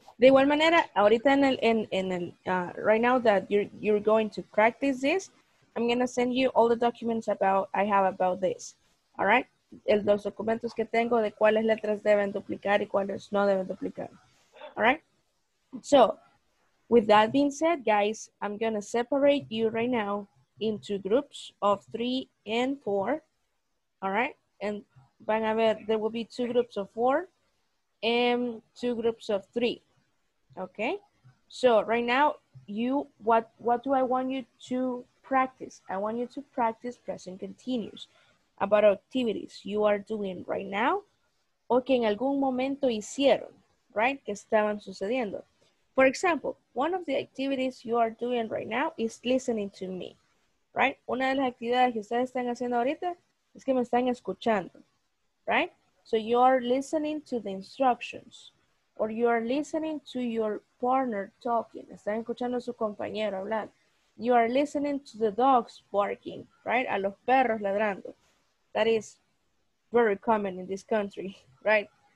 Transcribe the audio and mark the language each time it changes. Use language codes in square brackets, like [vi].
[es] De igual manera, ahorita en el, [en] right now that you're going to practice this, I'm going to send you all the documents about I have about this. All right. [es] Los documentos que tengo de cuáles letras deben duplicar y cuáles no deben duplicar. [en] All right. So, with that being said, guys, I'm going to separate you right now into groups of 3 and 4. All right. And [es] van a ver, [en] there will be 2 groups of 4 and 2 groups of 3. Okay. So, right now, what do I want you to practice? I want you to practice present continuous about activities you are doing right now [es] o que en algún momento hicieron, [en] right? [es] Que estaban sucediendo. [en] For example, one of the activities you are doing right now is listening to me, right? [es] Una de las actividades que ustedes están haciendo ahorita es que me están escuchando, right? [en] So you are listening to the instructions or you are listening to your partner talking. [es] Están escuchando a su compañero hablar. [en] You are listening to the dogs barking, right? [es] A los perros ladrando. [en] That is very common in this country, right?